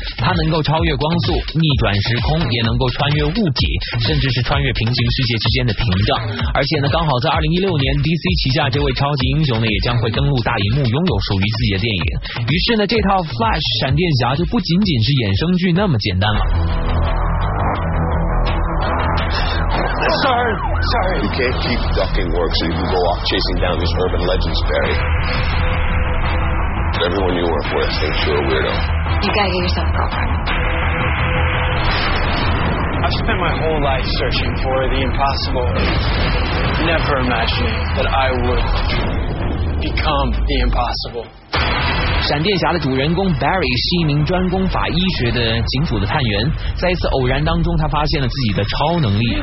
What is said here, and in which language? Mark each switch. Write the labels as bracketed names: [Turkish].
[Chinese] 它能够超越光速、逆转时空，也能够穿越物体，甚至是穿越平行世界之间的屏障。而且呢，刚好在2016年 DC 旗下这位超级英雄呢，也将会登陆大荧幕，拥有属于自己的电影。于是呢，这套 Flash闪电侠就不仅仅是衍生剧那么简单了。 [English] Sorry. You can't keep ducking work so you can go off chasing down these urban legends, Barry. Everyone you work with thinks you're a weirdo. You gotta get yourself a girlfriend. I've spent my whole life searching for the impossible, never imagining that I would become the impossible. [Chinese] 闪电侠的主人公 Barry 是一名专攻法医学的警署的探员，在一次偶然当中，他发现了自己的超能力。